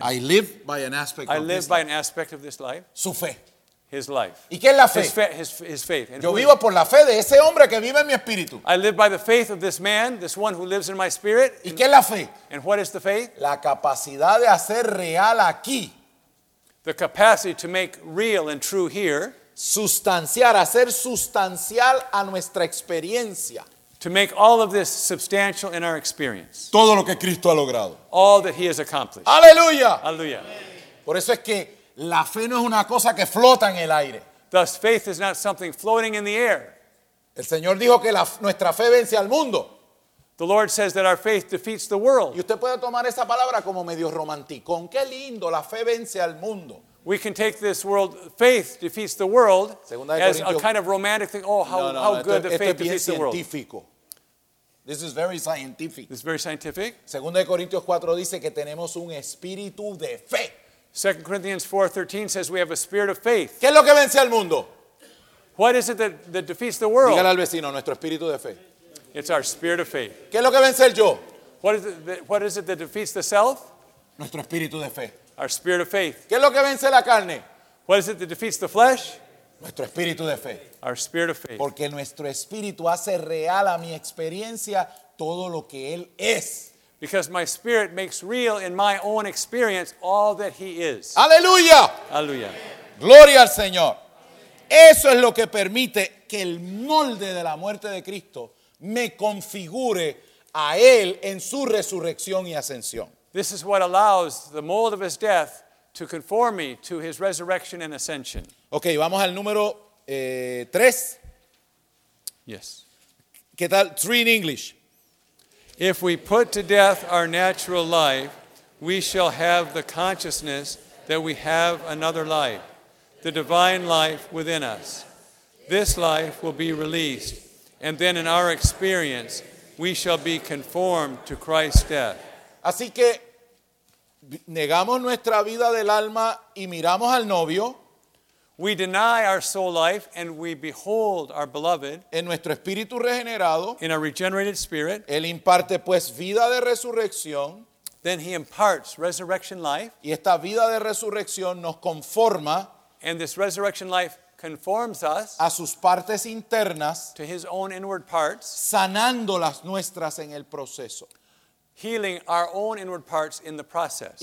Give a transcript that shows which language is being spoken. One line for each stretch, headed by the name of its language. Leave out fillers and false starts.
English: I live by an aspect of this life.
Spanish: Su fe.
English: His life.
Spanish: ¿Y qué es la fe?
English: His faith.
Spanish: Yo vivo por la fe de ese hombre que vive en mi espíritu.
English: I live by the faith of this man, this one who lives in my spirit.
Spanish: ¿Y qué es la fe?
English: And what is the faith?
Spanish: La capacidad de hacer real aquí.
English: The capacity to make real and true here.
Spanish: Sustanciar, hacer sustancial a nuestra experiencia.
English: To make all of this substantial in our experience.
Spanish: Todo lo que Cristo ha logrado.
English: All that he has accomplished.
Spanish: ¡Aleluya! ¡Aleluya! Por eso es que la fe no es una cosa que flota en el aire.
English: Thus, faith is not something floating in the air.
Spanish: El Señor dijo que nuestra fe vence al mundo.
English: The Lord says that our faith defeats the world.
Spanish: Y usted puede tomar esa palabra como medio romántico. ¡Qué lindo! La fe vence al mundo.
English: We can take this world, faith defeats the world,
Spanish: Segunda
English: as a kind of romantic thing. Oh, how good the faith defeats the world. This is very scientific. This is very scientific.
Spanish: Segunda de Corintios 4 dice que tenemos un espíritu de fe.
English: 2 Corinthians 4:13 says we have a spirit of faith.
Spanish: ¿Qué es lo que vence al mundo?
English: What is it that defeats the world?
Spanish: Dígale al vecino, nuestro espíritu de fe.
English: It's our spirit of faith.
Spanish: ¿Qué es lo que vence el yo?
English: What is it that defeats the self?
Spanish: Nuestro espíritu de fe.
English: Our spirit of faith.
Spanish: ¿Qué es lo que vence la carne?
English: What is it that defeats the flesh?
Spanish: Nuestro espíritu de fe.
English: Our spirit of faith.
Spanish: Porque nuestro espíritu hace real a mi experiencia todo lo que él es.
English: Because my spirit makes real in my own experience all that he is.
Spanish: ¡Aleluya! ¡Aleluya! ¡Gloria al Señor! Eso es lo que permite que el molde de la muerte de Cristo me configure a él en su resurrección y ascensión.
English: This is what allows the mold of his death to conform me to his resurrection and ascension.
Spanish: Okay, vamos al número 3.
English: Yes.
Spanish: ¿Qué tal?
English: 3 in English. If we put to death our natural life, we shall have the consciousness that we have another life, the divine life within us. This life will be released, and then in our experience, we shall be conformed to Christ's death.
Spanish: Así que negamos nuestra vida del alma y miramos al novio.
English: We deny our soul life and we behold our beloved.
Spanish: En nuestro espíritu regenerado.
English: In a regenerated spirit.
Spanish: Él imparte pues vida de resurrección.
English: Then he imparts resurrection life.
Spanish: Y esta vida de resurrección nos conforma.
English: And this resurrection life conforms us.
Spanish: A sus partes internas.
English: To his own inward parts.
Spanish: Sanando las nuestras en el proceso.
English: Healing our own inward parts in the process.